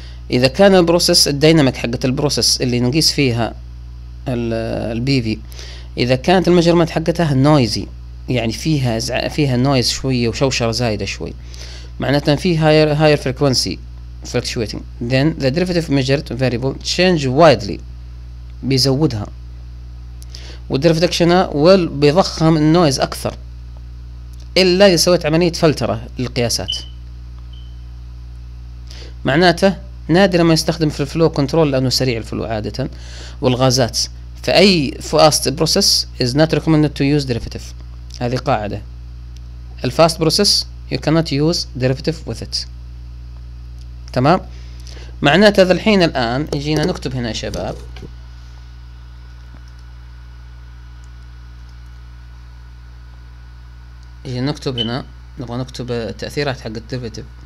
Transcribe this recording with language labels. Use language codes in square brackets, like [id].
[ar] اذا كان البروسس الديناميك حقه البروسس اللي نقيس فيها البي في، اذا كانت المجرمات حقتها نويزي يعني فيها فيها نويز شويه وشوشره زايده شوي، معناتها فيها [en] higher frequency fluctuating، then the derivative measured variable change widely، [ar] بيزودها والدرفتكشنة وبيضخم النويز أكثر، إلا إذا سويت عملية فلترة للقياسات. معناته نادر ما يستخدم في الفلو كنترول لأنه سريع الفلو عادة والغازات، فأي [en] fast process is not recommended to use derivative. [ar] هذه قاعدة، الفاست بروسس [en] you cannot use derivative with it. [ar] تمام، معناته ذا الحين الآن يجينا نكتب هنا شباب نكتب هنا، نبغى نكتب تأثيرات حق الديرفيتيف.